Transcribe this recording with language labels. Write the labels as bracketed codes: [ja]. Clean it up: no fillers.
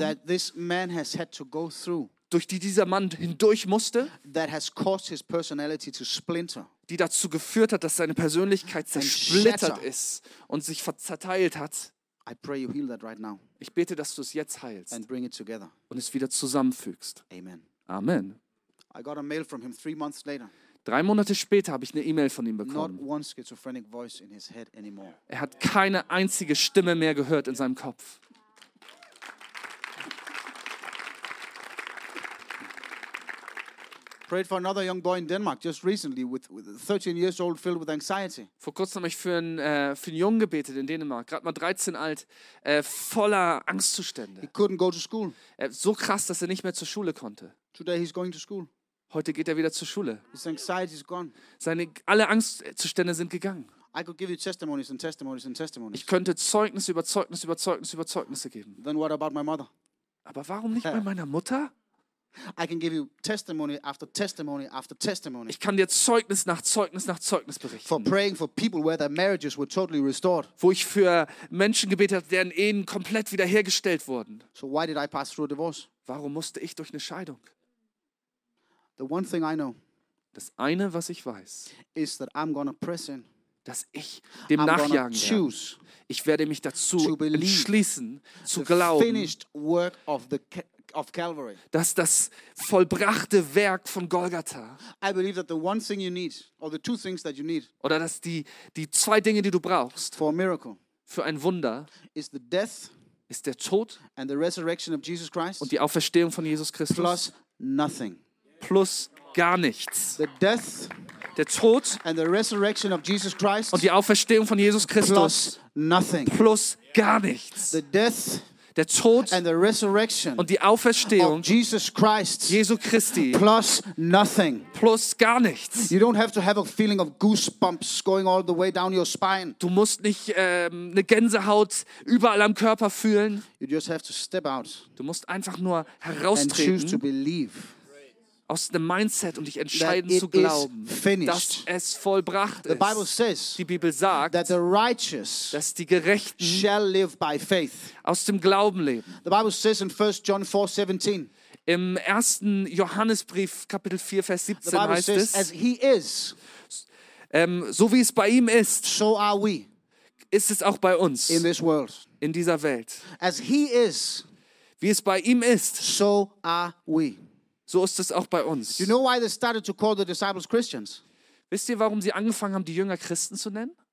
[en] that this man has had to go through, [de] durch die dieser Mann hindurch musste, [en] that has caused his personality to splinter, [de] die dazu geführt hat, dass seine Persönlichkeit zersplittert ist und sich zerteilt hat. [en] I pray you heal that right now. [de] Ich bete, dass du es jetzt heilst. [en] And bring it together. [de] Und es wieder zusammenfügst. [en] Amen. [de] Amen. [en] I got a mail from him 3 months later. [de] 3 Monate später habe ich eine E-Mail von ihm bekommen. [en] Not one schizophrenic voice in his head anymore. [de] Er hat keine einzige Stimme mehr gehört in seinem Kopf. [en] Prayed for another young boy in Denmark just recently with 13 years old filled with anxiety. [de] Vor kurzem habe ich für einen Jungen gebetet in Dänemark, gerade mal 13 alt, voller Angstzustände. [en] He couldn't go to school. [de] So krass, dass er nicht mehr zur Schule konnte. [en] Today he's going to school. [de] Heute geht er wieder zur Schule. [en] His anxiety is gone. [de] Alle Angstzustände sind gegangen. [en] I could give you testimonies and testimonies and testimonies. [de] Ich könnte Zeugnis über Zeugnis über Zeugnis über Zeugnisse geben. [en] Then what about my mother? [de] Aber warum nicht bei meiner Mutter? [en] I can give you testimony after testimony after testimony. [de] Ich kann dir Zeugnis nach Zeugnis nach Zeugnis berichten. [en] For praying for people where their marriages were totally restored. [de] Wo ich für Menschen gebetet habe, deren Ehen komplett wiederhergestellt wurden. [en] So why did I pass through a divorce? [de] Warum musste ich durch eine Scheidung? [en] The one thing I know, [de] das eine, was ich weiß, [en] is that I'm gonna press in, [de] dass ich dem nachjagen werde. Ich werde mich dazu entschließen, zu glauben, [en] finished work of the of Calvary. [de] Dass das vollbrachte Werk von Golgatha. [en] I believe that the one thing you need, or the two things that you need, [de] oder dass die 2 Dinge, die du brauchst, [en] for a miracle, [de] für ein Wunder, [en] is the death, [de] ist der Tod, [en] and the resurrection of Jesus Christ, [de] und die Auferstehung von Jesus Christus, [en] plus nothing. [de] Plus gar nichts. [en] The death, [de] der Tod, [en] and the resurrection of Jesus Christ, [de] und die Auferstehung von Jesus Christus, [en] plus nothing. [de] Plus gar nichts. [en] The death, [de] der Tod, [en] and the resurrection, [de] und die Auferstehung [en] of Jesus Christ, [de] Jesu Christi, [en] plus nothing. [de] Plus gar nichts. [en] You don't have to have a feeling of goosebumps going all the way down your spine. [de] Du musst nicht eine Gänsehaut überall am Körper fühlen. [en] You just have to step out. [de] Du musst einfach nur heraustreten. [en] And choose to believe. [de] aus dem Mindset und dich entscheiden zu glauben, dass es vollbracht ist. [en] The Bible says, [de] die Bibel sagt, [en] that the righteous, [de] dass die Gerechten [en] shall live by faith, [de] aus dem Glauben leben. [en] The Bible says in 1 John 4, 17, [de] im 1. Johannesbrief, Kapitel 4, Vers 17, [en] the Bible [de] heißt [en] says, as he is, [de] so wie es bei ihm ist, [en] so are we, [de] ist es auch bei uns [en] in, this world, [de] in dieser Welt. [en] As he is, [de] wie es bei ihm ist, [en] so are we. [de] So ist es auch bei uns. [en] You know why they started to call the disciples Christians? [de] Wisst ihr, warum sie angefangen haben, die Jünger Christen zu nennen?